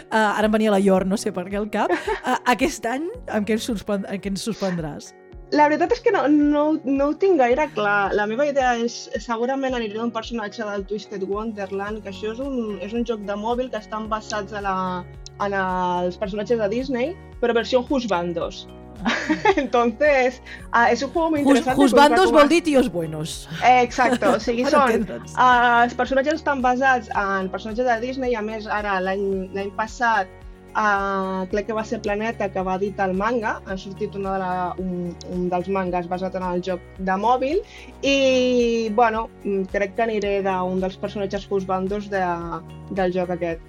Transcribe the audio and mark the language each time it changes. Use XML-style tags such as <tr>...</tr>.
<ca>Ara em venia la Yor, no sé per què al cap. Aquest any, amb què ens sorprendràs? La veritat és que no ho tinc gaire clar. La meva idea és, segurament aniré d'un personatge del Twisted Wonderland, que això és un joc de mòbil que estan basats en els personatges de Disney, però versió Husbandos.</ca> <es>Entonces, és un juego muy interesante.</es> <ca>Husbandos vol dir</ca> <es>tios buenos.</es> <ca>Exacto, o sigui, els personatges estan basats en personatges de Disney, i a més ara l'any passat crec que va ser Planeta que va editar el manga, ha sortit un dels mangas basat en el joc de mòbil, i bueno, crec que aniré d'un dels personatges Husbandos del joc aquest.</ca>